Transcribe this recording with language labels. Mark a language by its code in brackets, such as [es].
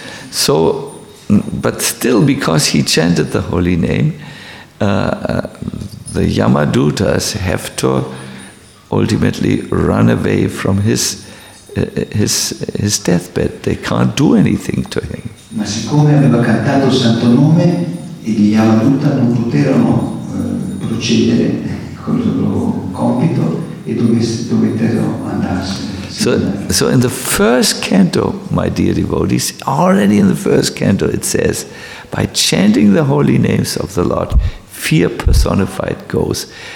[en] So, but still, because he chanted the holy name, the Yamadutas have to ultimately run away from his deathbed. They can't do anything to him. [it] Ma siccome aveva cantato il santo nome, gli Yamadutta non poterono procedere con il loro compito e dovettero andarsene. [en] So in the first canto, my dear devotees, already in the first canto it says, by chanting the holy names of the Lord, fear personified goes.